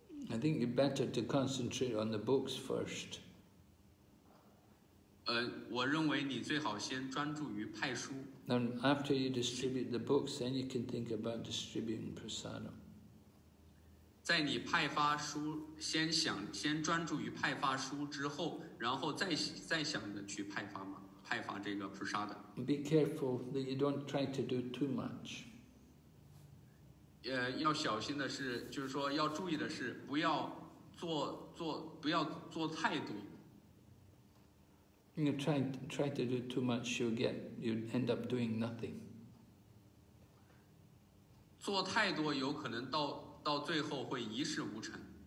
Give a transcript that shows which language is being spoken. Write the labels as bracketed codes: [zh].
[en] I think you better to concentrate on the books first. [zh] 我认为你最好先专注于派书。 [en] And after you distribute the books, then you can think about distributing prasadam. [zh] 在你派发书，先想专注于派发书之后，然后再想着去派发这个prasadam. [en] Be careful that you don't try to do too much. [zh] 要小心的是，就是说要注意的是，不要做太多。 [en] You try to do too much, you'd end up doing nothing. [zh] 做太多有可能到最后会一事无成。